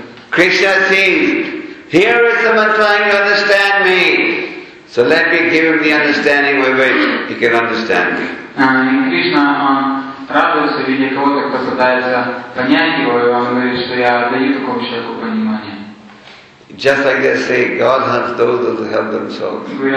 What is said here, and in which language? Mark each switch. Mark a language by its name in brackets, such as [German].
[English] Krishna sees, here is someone trying to understand me, so let me give him the understanding with which he can understand me. [Russian] Krishna радуется, видя кого-то, кто пытается понять его, и он говорит, что я даю такому человеку понимание. [English] Just like they say, God helps those who help themselves.